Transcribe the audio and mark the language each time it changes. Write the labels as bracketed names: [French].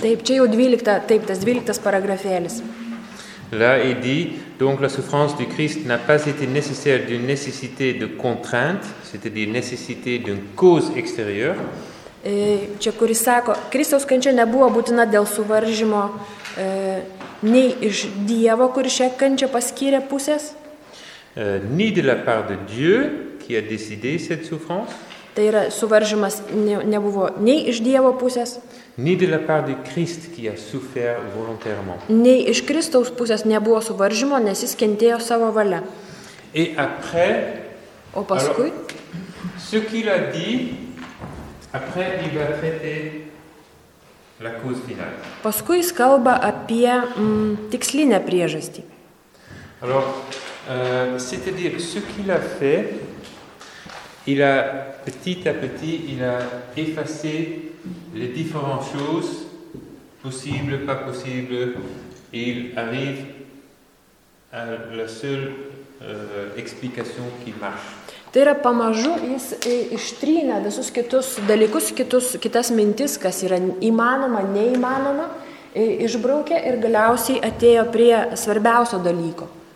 [Lithuanian] Taip, čia jau 12, taip, tas 12 paragrafėlis. [French] Là, il dit, donc la souffrance du Christ n'a pas été nécessaire d'une nécessité de contrainte, c'est-à-dire nécessité d'une cause extérieure. [Lithuanian] Čia, kuris sako, Kristaus kančia nebuvo būtina dėl suvaržymo nei iš Dievo, kuris šią kančią paskyrė pusės. [French] Ni de la part de Dieu, qui a décidé cette souffrance. [Lithuanian] Tai yra, suvaržymas nebuvo nei iš Dievo pusės. [French] Ni de la part du Christ, qui a souffert volontairement. [Lithuanian] Nei iš Kristaus pusės nebuvo suvaržymo, nes jis kentėjo savo valia. [French] Et après, [Lithuanian] o paskui, [French] alors, ce qu'il a dit, après, il va traiter la cause finale. [Lithuanian] Paskui jis kalba apie tikslinę priežastį. [French] Alors, c'est-à-dire, ce qu'il a fait, il a petit à petit, il a effacé les différentes choses, possibles, pas possibles, et il arrive à la seule explication qui marche. [Lithuanian] Tai yra, pamažu jis ištrynė visus kitus dalykus, kitas mintis, kas yra įmanoma, neįmanoma, išbraukė ir galiausiai atėjo prie svarbiausio dalyko.